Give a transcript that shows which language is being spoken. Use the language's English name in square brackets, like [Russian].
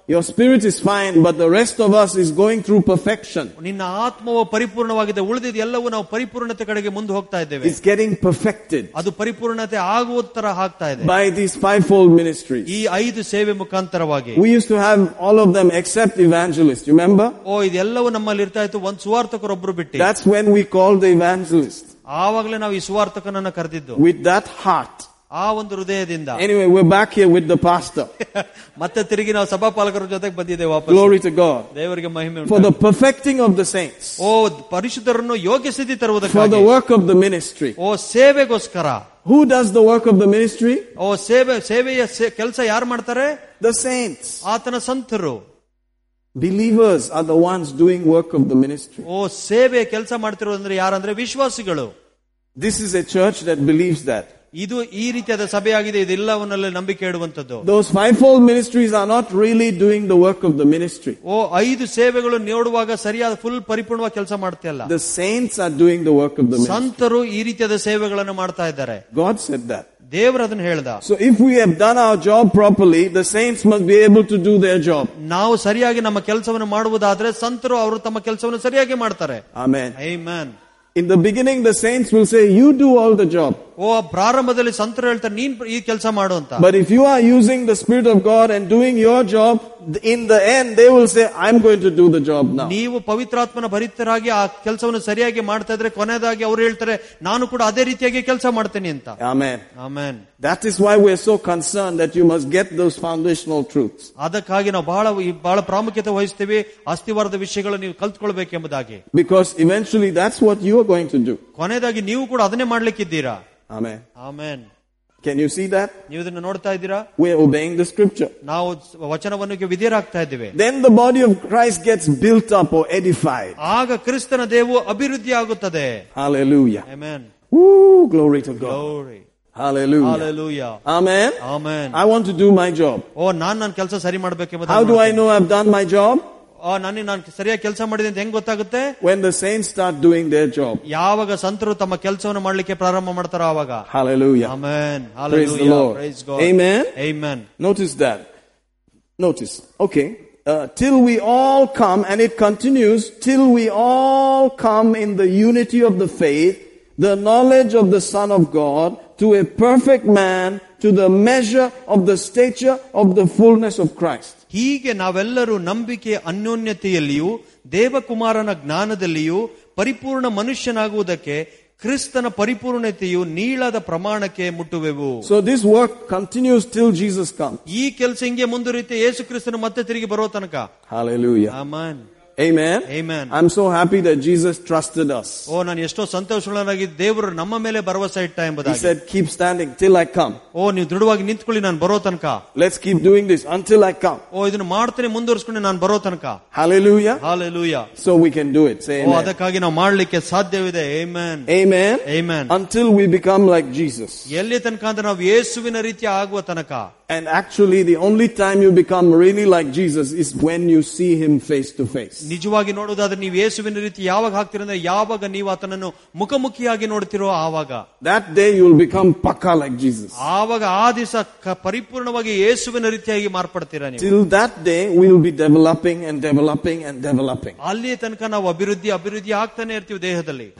[English] Your spirit is fine, but the rest of us is going through perfection. [Kannada] ನಿನ್ನ ಆತ್ಮವು ಪರಿಪೂರ್ಣವಾಗಿದೆ ಉಳಿದಿದ್ದ ಎಲ್ಲವೂ ನಾವು ಪರಿಪೂರ್ಣತೆ ಕಡೆಗೆ ಮುಂದೆ ಹೋಗ್ತಾ ಇದ್ದೇವೆ. [English] It's getting perfected. [Kannada] ಅದು ಪರಿಪೂರ್ಣತೆ ಆಗುವ ತರ ಆಗ್ತಾ ಇದೆ. [English] By these fivefold ministries. [Kannada] ಈ ಐದು ಸೇವೆ ಮುಖಾಂತರವಾಗಿ. [English] We used to have all of them except evangelist. You remember? [Kannada] ಓ ಇದೆಲ್ಲವೂ ನಮ್ಮಲ್ಲಿ ಇರ್ತಾ ಇತ್ತು ಒಂದು ಸುವಾರ್ತಕರೊಬ್ಬರು ಬಿಟ್ಟು. [English] That's when we called the evangelist. [Kannada] ಆವಾಗಲೇ ನಾವು ಈ ಸುವಾರ್ತಕನನ್ನು ಕರೆದಿದ್ದು. [English] With that heart. [Kannada] ಆ ಒಂದು ಹೃದಯದಿಂದ. [English] Anyway, we're back here with the pastor. [Kannada] ಮತ್ತೆ ತಿರುಗಿ ನಾವು ಸಭಾಪಾಲಕರ ಜೊತೆಗೆ ಬಂದಿದ್ದೇವೆ ವಾಪಸ್. [English] Glory to God. [Kannada] ದೇವರಿಗೆ ಮಹಿಮೆ. [English] For the perfecting of the saints. [Kannada] ಓ ಪರಿಶುದ್ಧರನ್ನು ಯೋಗ್ಯ ಸ್ಥಿತಿ ತರುವುದಕ್ಕಾಗಿ. [English] For the work of the ministry. [Kannada] O ಸೇವೆಗೋಸ್ಕರ. [English] Who does the work of the ministry? [Kannada] ಓ ಸೇವೆ ಸೇವೆಯ ಕೆಲಸ ಯಾರು ಮಾಡ್ತಾರೆ? [English] The saints. [Kannada] ಆತನ ಸಂತರು. [English] Believers are the ones doing work of the ministry. [Kannada] ಓ ಸೇವೆ ಕೆಲಸ ಮಾಡ್ತಿರೋದಂದ್ರೆ ಯಾರಂದ್ರೆ ವಿಶ್ವಾಸಿಗಳು. [English] This is a church that believes that. [Kannada] ಇದು ಈ ರೀತಿಯಾದ ಸಭೆಯಾಗಿದೆ, ಇದೆಲ್ಲವನ್ನೆಲ್ಲ ನಂಬಿಕೆ ಇಡುವಂತದ್ದು. [English] Those fivefold ministries are not really doing the work of the ministry. [Kannada] ಓ ಐದು ಸೇವೆಗಳು ನೋಡುವಾಗ ಸರಿಯಾದ ಫುಲ್ ಪರಿಪೂರ್ಣವಾಗಿ ಕೆಲಸ ಮಾಡ್ತಾ ಇಲ್ಲ. [English] The saints are doing the work of the ministry. [Kannada] ಸಂತರು ಈ ರೀತಿಯಾದ ಸೇವೆಗಳನ್ನು ಮಾಡ್ತಾ ಇದ್ದಾರೆ. [English] God said that. [Kannada] ದೇವರು ಅದನ್ನು ಹೇಳ್ದ. [English] So if we have done our job properly the saints must be able to do their job. [Kannada] ನಾವು ಸರಿಯಾಗಿ ನಮ್ಮ ಕೆಲಸವನ್ನು ಮಾಡುವುದಾದ್ರೆ ಸಂತರು ಅವರು ತಮ್ಮ ಕೆಲಸವನ್ನು ಸರಿಯಾಗಿ ಮಾಡ್ತಾರೆ. Amen. Amen. [English] In the beginning, the saints will say, you do all the job. [Kannada] ಓ ಪ್ರಾರಂಭದಲ್ಲಿ ಸಂತರು ಹೇಳ್ತಾರೆ ನೀನ್ ಈ ಕೆಲಸ ಮಾಡು ಅಂತ. [English] But if you are using the spirit of God and doing your job, in the end they will say, I'm going to do the job now. [Kannada] ನೀವು ಪವಿತ್ರಾತ್ಮನ ಭರಿತರಾಗಿ ಆ ಕೆಲಸವನ್ನು ಸರಿಯಾಗಿ ಮಾಡ್ತಾ ಇದ್ರೆ ಕೊನೆಯದಾಗಿ ಅವರು ಹೇಳ್ತಾರೆ ನಾನು ಕೂಡ ಅದೇ ರೀತಿಯಾಗಿ ಕೆಲಸ ಮಾಡ್ತೇನೆ ಅಂತ. [English] Amen. Amen. That is why we are so concerned that you must get those foundational truths. [Kannada] ಅದಕ್ಕಾಗಿ ನಾವು ಬಹಳ ಬಹಳ ಪ್ರಾಮುಖ್ಯತೆ ವಹಿಸ್ತೇವೆ ಅಸ್ತಿವಾರದ ವಿಷಯಗಳು ನೀವು ಕಲ್ತ್ಕೊಳ್ಬೇಕೆಂಬುದಾಗಿ. [English] Because eventually that's what you are going to do. [Kannada] ಕೊನೆಯದಾಗಿ ನೀವು ಕೂಡ ಅದನ್ನೇ ಮಾಡ್ಲಿಕ್ಕಿದ್ದೀರಾ. [English] Amen. Amen. Can you see that? [Kannada] ನೀವು ಇದನ್ನು ನೋಡ್ತಾ ಇದ್ದೀರಾ? [English] We are obeying the scripture. [Kannada] ನಾವು ವಚನವನ್ನು ವಿಧೇಯರಾಗ್ತಾ ಇದ್ದೇವೆ. [English] Then the body of Christ gets built up or edified. [Kannada] ಆಗ ಕ್ರಿಸ್ತನ ದೇವು ಅಭಿವೃದ್ಧಿ ಆಗುತ್ತದೆ. [English] Hallelujah. Amen. Woo, glory to God. Glory. Hallelujah. Hallelujah. Amen. Amen. I want to do my job. [Kannada] ಓ ನಾನು ನನ್ನ ಕೆಲಸ ಸರಿ ಮಾಡಬೇಕೆಂಬುದು. [English] How do I know I've done my job? [Kannada] ನಾನು ಸರಿಯಾಗಿ ಕೆಲಸ ಮಾಡಿದೆ ಅಂತ ಹೆಂಗ್ ಗೊತ್ತಾಗುತ್ತೆ? [English] When the saints start doing their job. [Kannada] ಯಾವಾಗ ಸಂತರು ತಮ್ಮ ಕೆಲಸವನ್ನು ಮಾಡಲಿಕ್ಕೆ ಪ್ರಾರಂಭ ಮಾಡ್ತಾರೋ ಆವಾಗ. [English] Hallelujah. Amen. Praise the Lord. Praise God. Amen. Amen. Notice that. Notice. Okay. Till we all come, and it continues, till we all come in the unity of the faith, the knowledge of the Son of God, to a perfect man, to the measure of the stature of the fullness of Christ. [Kannada] ಹೀಗೆ ನಾವೆಲ್ಲರೂ ನಂಬಿಕೆ ಅನ್ಯೋನ್ಯತೆಯಲ್ಲಿಯೂ ದೇವಕುಮಾರನ ಜ್ಞಾನದಲ್ಲಿಯೂ ಪರಿಪೂರ್ಣ ಮನುಷ್ಯನಾಗುವುದಕ್ಕೆ ಕ್ರಿಸ್ತನ ಪರಿಪೂರ್ಣತೆಯು ನೀಳದ ಪ್ರಮಾಣಕ್ಕೆ ಮುಟ್ಟುವೆವು. [English] So this work continues till Jesus come. [Kannada] ಈ ಕೆಲಸ ಹಿಂಗೆ ಮುಂದುವರಿಯುತ್ತೆ ಯೇಸು ಕ್ರಿಸ್ತನು ಮತ್ತೆ ತಿರುಗಿ ಬರೋ ತನಕ. [English] Hallelujah. Amen. Amen. Amen. I'm so happy that Jesus trusted us. [Kannada] ಓ ನಾನು ಎಷ್ಟೋ ಸಂತೋಷಗಳಾಗಿ ದೇವರು ನಮ್ಮ ಮೇಲೆ ಭರವಸೆ ಇಟ್ಟ ಎಂಬುದಾಗಿ. [English] He said, keep standing till I come. [Kannada] ಓ ನೀವು ದೃಢವಾಗಿ ನಿಂತ್ಕೊಳ್ಳಿ ನಾನು ಬರೋ ತನಕ. [English] Let's keep doing this until I come. [Kannada] ಓ ಇದನ್ನು ಮಾಡ್ತೇನೆ ಮುಂದುವರಿಸ್ಕೊಂಡು ನಾನು ಬರೋ ತನಕ. [English] Hallelujah. Hallelujah. So we can do it. Say amen. [Kannada] ಓ ಅದಕ್ಕಾಗಿ ನಾವು ಮಾಡ್ಲಿಕ್ಕೆ ಸಾಧ್ಯವಿದೆ. Amen. [English] Amen. Amen. Until we become like Jesus. [Kannada] ಎಲ್ಲಿ ತನಕ ಅಂದ್ರೆ ನಾವು ಯೇಸುವಿನ ರೀತಿ ಆಗುವ ತನಕ. [English] And actually the only time you become really like Jesus is when you see him face to face. [Kannada] ನಿಜವಾಗಿ ನೋಡೋದಾದ್ರೆ ನೀವು ಯೇಸುವಿನ ರೀತಿ ಯಾವಾಗ ಹಾಕ್ತಿರಂದ್ರೆ ಯಾವಾಗ ನೀವು ಆತನನ್ನು ಮುಖಮುಖಿಯಾಗಿ ನೋಡ್ತಿರೋ ಆವಾಗ. [English] That day you will become pakka like Jesus. [Kannada] ಆವಾಗ ಆ ದಿವಸ ಪರಿಪೂರ್ಣವಾಗಿ ಯೇಸುವಿನ ರೀತಿಯಾಗಿ ಮಾರ್ಪಡ್ತೀರಾ ನೀವು. [English] Till that day we will be developing and developing and developing. [Kannada] ಅಲ್ಲಿ ತನಕ ನಾವು ಅಭಿವೃದ್ಧಿ ಅಭಿವೃದ್ಧಿ ಆಗ್ತಾನೆ ಇರ್ತೀವಿ ದೇಹದಲ್ಲಿ.